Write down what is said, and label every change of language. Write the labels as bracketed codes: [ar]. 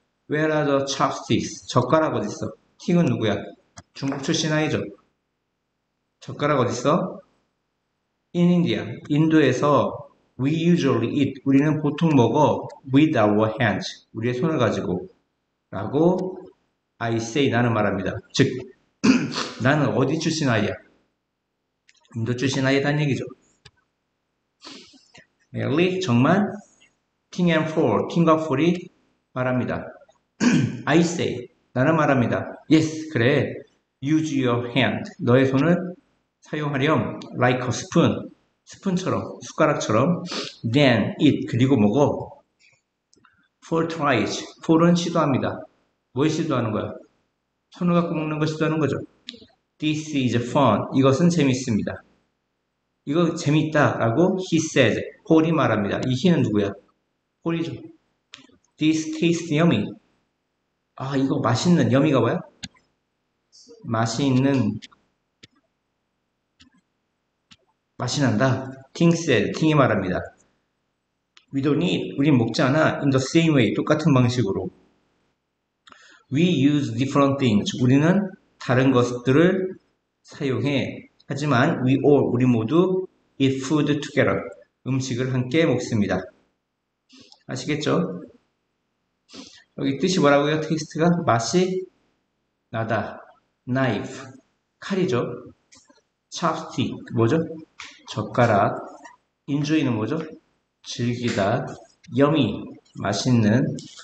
[en] Where are the chopsticks? [ko] 젓가락 어딨어? King은 누구야? 중국 출신 아이죠. 젓가락 어딨어? [en] In India. [ko] 인도에서 [en] we usually eat. [ko] 우리는 보통 먹어. [en] With our hands. [ko] 우리의 손을 가지고. 라고 [en] I say [ko] 나는 말합니다. 즉 나는 어디 출신 아이야? 인도 출신 아이다는 얘기죠. Really? 정말? King and Paul, King과 Paul이 말합니다. [en] I say [ko] 나는 말합니다. [en] Yes, 그래. Use your hand. [ko] 너의 손을 사용하렴. [en] Like a spoon. [ko] 스푼처럼, 숟가락처럼. [en] Then eat. [ko] 그리고 먹어. [en] Paul tries. [ko] Paul은 시도합니다. 뭘 시도하는 거야? 손을 갖고 먹는 거 시도하는 거죠. [en] This is fun. [ko] 이것은 재밌습니다. 이거 재밌다 라고 [en] he said. [ko] 폴이 말합니다. 이 he는 누구야? 폴이죠. [en] This tastes yummy. [ko] 아, 이거 맛있는. yummy가 뭐야? 맛있는. 맛이 난다. King said. King이 말합니다. [en] We don't eat. [ko] 우린 먹지 않아. [en] In the same way. [ko] 똑같은 방식으로. [en] We use different things. [ko] 우리는 다른 것들을 사용해. 하지만 [en] we all, [ko] 우리 모두 eat food together. 음식을 함께 먹습니다. 아시겠죠? 여기 뜻이 뭐라고요? 테스트가 맛이 나다. knife, 칼이죠. chopstick, 뭐죠? 젓가락. enjoy는 뭐죠? 즐기다. yummy, 맛있는.